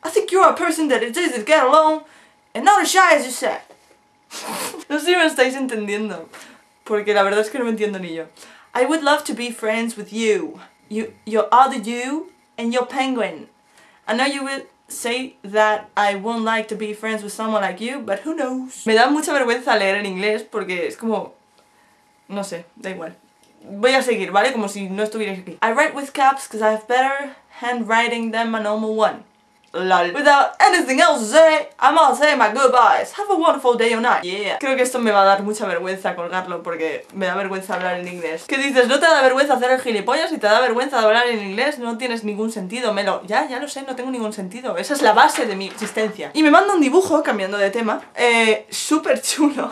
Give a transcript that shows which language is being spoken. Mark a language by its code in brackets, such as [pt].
[en] I think you are a person that is easy to get along and not as shy as you said. [es] No sé si me estáis entendiendo, porque la verdad es que no me entiendo ni yo. [en] I would love to be friends with you. Your other you and your penguin. I know you will say that I won't like to be friends with someone like you, but who knows? [es] Me da mucha vergüenza leer en inglés porque es como... no sé, da igual. Voy a seguir, ¿vale? Como si no estuviera aquí. [en] I write with caps because I have better handwriting than my normal one. LOL. Without anything else to say, I'm gonna say my goodbyes. Have a wonderful day or night. Yeah. [es] Creo que esto me va a dar mucha vergüenza colgarlo porque me da vergüenza hablar en inglés. ¿Qué dices? ¿No te da vergüenza hacer el gilipollas y te da vergüenza hablar en inglés? No tienes ningún sentido, Melo. Ya, ya lo sé, no tengo ningún sentido. Esa es la base de mi existencia. Y me manda un dibujo, cambiando de tema, súper chulo.